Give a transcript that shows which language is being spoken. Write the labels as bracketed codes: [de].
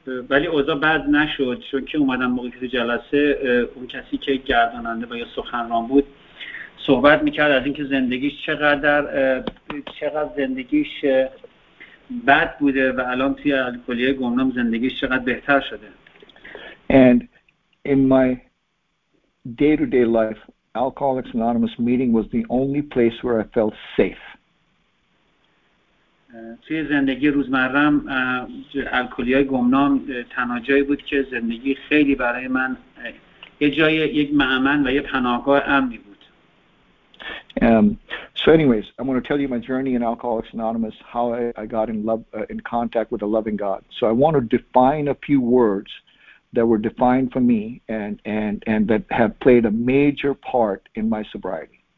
[fa] ولی اوضاع بد نشد چون که اومدم موقعی که جلسه اون کسی که گرداننده و یا سخنران بود صحبت میکرد از اینکه زندگیش چقدر زندگیش بد بوده و الان توی الکلیه گمنام زندگیش چقدر بهتر شده. [en] And in my day-to-day life, Alcoholics Anonymous meeting was the only place where I felt safe. [fa] توی زندگی روزمرم الکلی‌های گمنام تنها جایی بود که زندگی خیلی برای من یه جای یک مأمن و یه پناهگاه امنی بود. [en] So anyways, I'm going to tell you my journey in Alcoholics Anonymous, how I got in love in contact with a loving God. So I want to define a few words that were defined for me and that have played a major part in my sobriety.